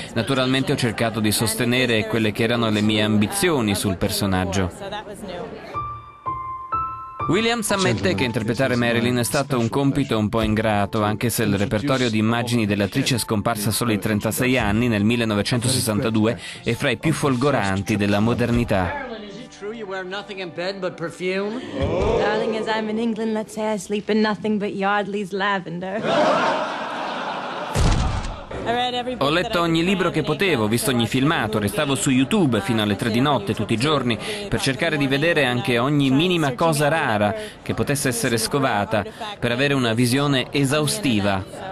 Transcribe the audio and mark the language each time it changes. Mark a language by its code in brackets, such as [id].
[it] Naturalmente ho cercato di sostenere quelle che erano le mie ambizioni sul personaggio. Williams ammette che interpretare Marilyn è stato un compito un po' ingrato, anche se il repertorio di immagini dell'attrice scomparsa solo i 36 anni nel 1962 è fra i più folgoranti della modernità. [en] Wear nothing in bed but perfume. Oh. Darling, as I'm in England, let's say I sleep in nothing but Yardley's lavender. [it] Ho letto ogni libro che potevo, ho visto ogni filmato, restavo su YouTube fino alle 3 di notte tutti i giorni per cercare di vedere anche ogni minima cosa rara che potesse essere scovata, per avere una visione esaustiva.